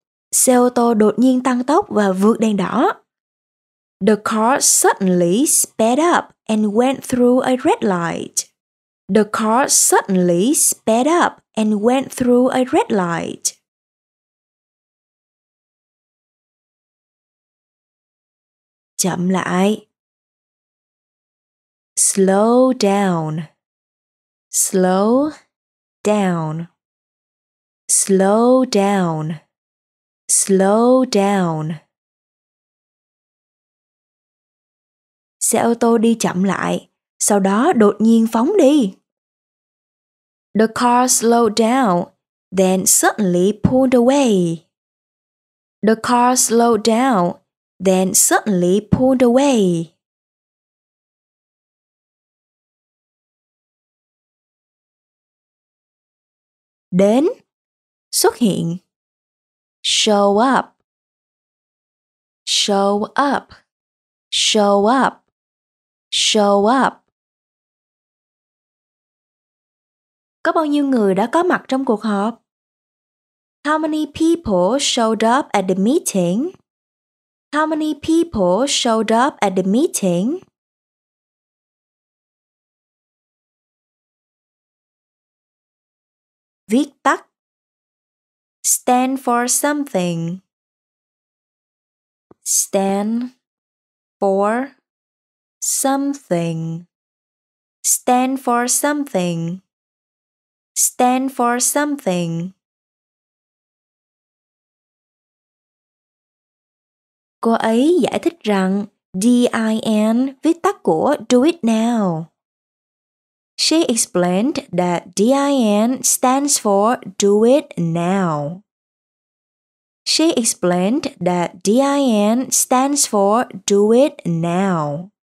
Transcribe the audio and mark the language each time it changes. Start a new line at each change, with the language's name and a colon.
Vietnamese: Xe ô tô đột nhiên tăng tốc và vượt đèn đỏ.
English: The car suddenly sped up and went through a red light. The car suddenly sped up and went through a red light.
Vietnamese: Chậm lại.
English: Slow down. Slow down. Slow down. Slow down.
Vietnamese: Xe ô tô đi chậm lại, sau đó đột nhiên phóng đi.
English: The car slowed down, then suddenly pulled away. The car slowed down, then suddenly pulled away.
Vietnamese: Đến, xuất hiện.
English: Show up. Show up. Show up. Show up.
Vietnamese: Có bao nhiêu người đã có mặt trong cuộc họp?
English: How many people showed up at the meeting? How many people showed up at the meeting?
Vietnamese: Viết tắt.
English: Stand for something. Stand for something. Stand for something. Stand for something.
Vietnamese: Cô ấy giải thích rằng DIN viết tắt của
English: do it now. She explained that DIN stands for do it now. She explained that DIN stands for do it now.